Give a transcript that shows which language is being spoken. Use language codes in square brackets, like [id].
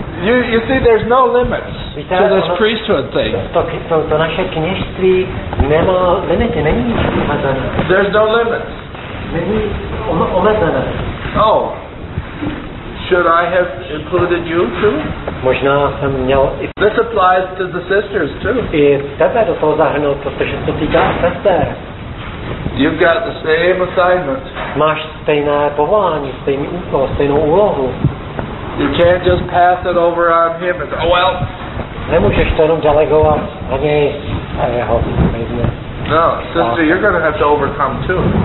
[en] You see, there's no limits. [cs] Víte, [en] to this priesthood thing. [cs] To naše kněžství nemá limity, není omezené. [en] There's no limits. [cs] Není omezené. Oh. [en] Should I have included you too? [cs] Možná jsem měl. [en] This applies to the sisters too. [cs] I tebe do toho zahrnout, protože se týká sester. [en] You've got the same assignment. [cs] Máš stejné povolání, stejný úkol, stejnou úlohu. [en] You can't just pass it over on him and oh well. [cs] Nemůžeš to jenom delegovat na něj a jeho. [en] No, sister, you're going to have to overcome too.